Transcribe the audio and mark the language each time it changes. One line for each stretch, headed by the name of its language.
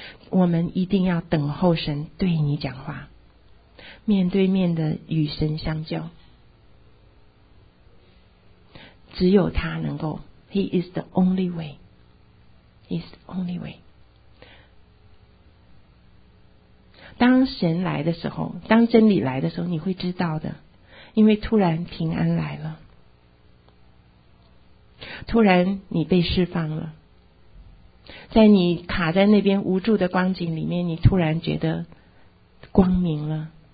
Chinese: 我们一定要等候神对你讲话，面对面的与神相交，只有他能够。
English: He is the only way， He is the only way。
Chinese: 当神来的时候，当真理来的时候，你会知道的，因为突然平安来了，突然你被释放了，在你卡在那边无助的光景里面，你突然觉得光明了。